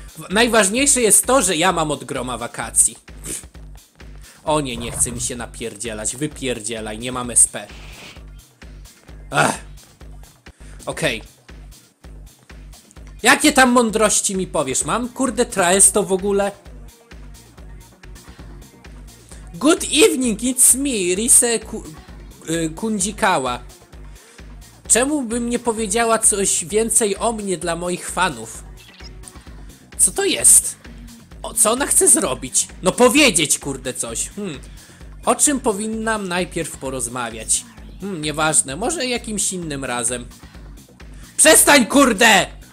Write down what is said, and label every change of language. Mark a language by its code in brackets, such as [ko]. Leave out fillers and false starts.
[pl] Najważniejsze jest to, że ja mam od groma wakacji. O nie, nie chce mi się napierdzielać. Wypierdzielaj, nie mam SP. Okej. Jakie tam mądrości mi powiesz? Mam, kurde, traesto w ogóle? [en] Good evening, it's me, Rise Kunjikawa. [pl] Czemu bym nie powiedziała coś więcej o mnie dla moich fanów? Co to jest? O co ona chce zrobić? No powiedzieć, kurde, coś. O czym powinnam najpierw porozmawiać? Nieważne, może jakimś innym razem. Przestań, kurde!